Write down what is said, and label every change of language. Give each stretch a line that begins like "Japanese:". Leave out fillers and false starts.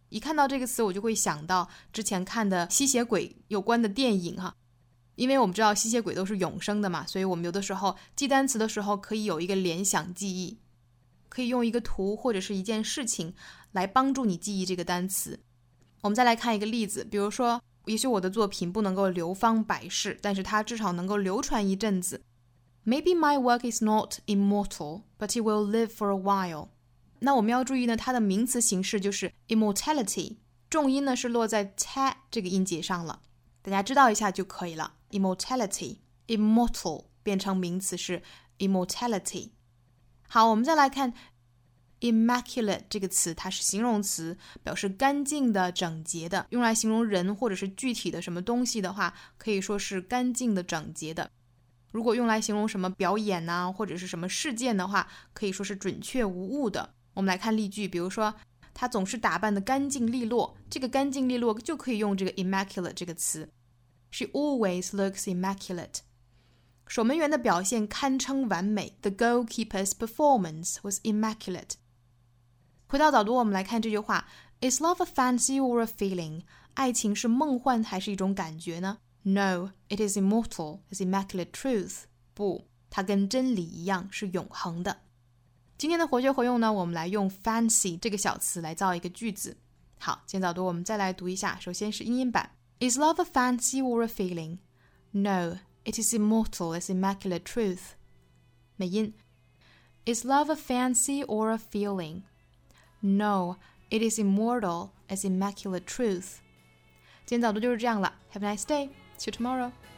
Chinese: 一看到这个词我就会想到之前看的吸血鬼有关的电影哈，因为我们知道吸血鬼都是永生的嘛，所以我们有的时候记单词的时候可以有一个联想记忆，可以用一个图或者是一件事情来帮助你记忆这个单词。我们再来看一个例子，比如说也许我的作品不能够流芳百世，但是它至少能够流传一阵子。
English: Maybe my work is not immortal, but it will live for a while.
Chinese: 那我们要注意呢，它的名词形式就是 immortality， 重音呢是落在 te 这个音节上了，大家知道一下就可以了。 immortality， immortal 变成名词是 immortality。好，我们再来看 immaculate 这个词，它是形容词，表示干净的、整洁的，用来形容人或者是具体的什么东西的话，可以说是干净的、整洁的。如果用来形容什么表演啊或者是什么事件的话，可以说是准确无误的。我们来看例句，比如说他总是打扮得干净利落，这个干净利落就可以用这个 immaculate 这个词。
English: She always looks immaculate.
Chinese: 守门员的表现堪称完美，
English: The goalkeeper's performance was immaculate.
Chinese: 回到早读，我们来看这句话，
English: Is love a fancy or a feeling?
Chinese: 爱情是梦幻还是一种感觉呢？
English: No, it is immortal, it's immaculate truth.
Chinese: 不，它跟真理一样是永恒的。今天的活学活用呢，我们来用 fancy 这个小词来造一个句子。好，今天早读我们再来读一下，首先是英音版。
English: Is love a fancy or a feeling? No, it is immortal, it's immaculate truth.
Chinese: 美音。
English: Is love a fancy or a feeling? No, it is immortal, it's immaculate truth. 今天早读就是这样了， Have a nice day, see you tomorrow.